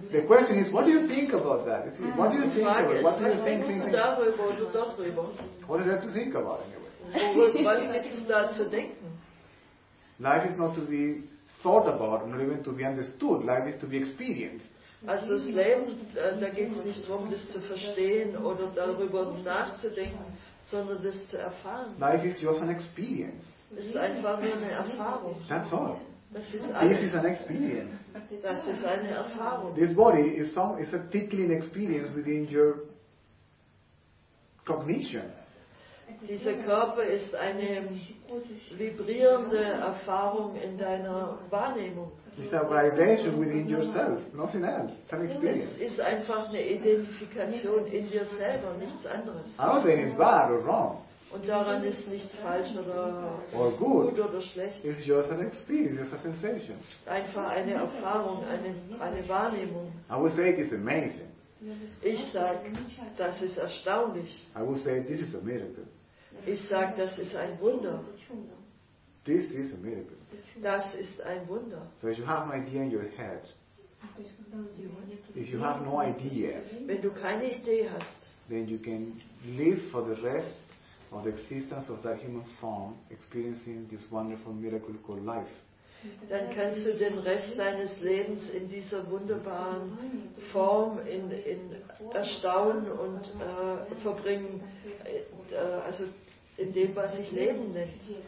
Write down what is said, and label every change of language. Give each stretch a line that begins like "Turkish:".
English: The question is, what do you think about that? What do you think about it? What is there to think about anyway?
German: Was gibt es da zu denken?
English: Life is not to be thought about, not even to be understood. Life is to be experienced.
German: Also das Leben, da geht es nicht darum, das zu verstehen oder darüber nachzudenken, sondern das zu erfahren.
English: Life is just an experience.
German: Es ist einfach nur eine Erfahrung.
English: That's all. This is an experience.
German: Das ist eine Erfahrung.
English: This body is a tickling experience within your cognition.
German: Dieser Körper ist eine vibrierende Erfahrung in deiner Wahrnehmung.
English: It's a vibration within yourself, nothing else. It's an experience.
German: Es ist einfach eine Identifikation in dir selber, nichts anderes.
English: I don't think it's bad or wrong.
German: Und daran ist nichts falsch oder
English: or good.
German: Gut oder schlecht.
English: It's just an experience, it's a sensation.
German: Einfach eine Erfahrung, eine Wahrnehmung.
English: I would say it's amazing.
German: Ich sage, das ist erstaunlich.
English: I would say this is a miracle.
German: Ich sage, das ist ein Wunder.
English: This is a miracle.
German: Das ist ein Wunder.
English: So if you have an idea in your head, if you have no idea,
German: wenn du keine Idee hast,
English: then you can live for the rest of the existence of that human form experiencing this wonderful miracle called life.
German: Dann kannst du den Rest deines Lebens in dieser wunderbaren Form in Erstaunen und verbringen, also in dem, was ich Leben nennt.